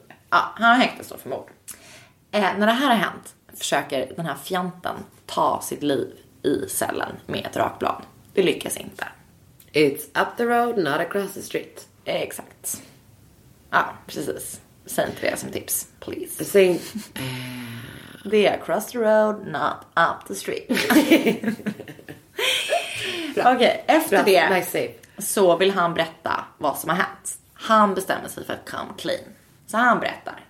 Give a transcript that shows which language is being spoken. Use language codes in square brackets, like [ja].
[sv] Ja, han häktas då för mord. När det här har hänt försöker den här fjanten ta sitt liv i cellen med ett rakblad. Det lyckas inte. [en] It's up the road, not across the street. [sv] Exakt. Ja, ah, precis. Säg inte det som tips, [en] please. [sv] Säg det är [en] across the road, not up the street. [sv] Okej, okay, efter bra. Det [en] nice. [sv] Så vill han berätta vad som har hänt. Han bestämmer sig för att [en] come clean. [sv] Så han berättar.